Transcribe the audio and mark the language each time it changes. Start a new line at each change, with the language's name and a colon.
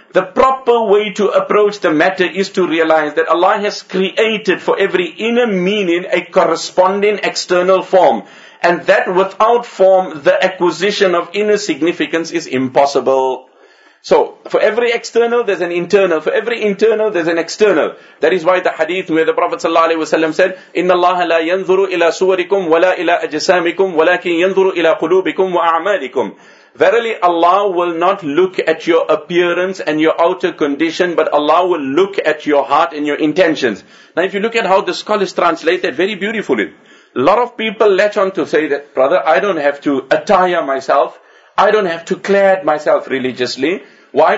English: The proper way to approach the matter is to realize that Allah has created for every inner meaning a corresponding external form. And that without form, the acquisition of inner significance is impossible. So, for every external, there's an internal. For every internal, there's an external. That is why the hadith where the Prophet ﷺ said,
Arabic: إِنَّ اللَّهَ لَا يَنْظُرُ إِلَىٰ سُوَرِكُمْ وَلَا إِلَىٰ أَجْسَامِكُمْ وَلَكِنْ يَنْظُرُ إِلَىٰ قُلُوبِكُمْ وَأَعْمَالِكُمْ.
English: Verily, Allah will not look at your appearance and your outer condition, but Allah will look at your heart and your intentions. Now, if you look at how the scholars translate that very beautifully, a lot of people latch on to say that, brother, I don't have to attire myself, I don't have to clad myself religiously. Why?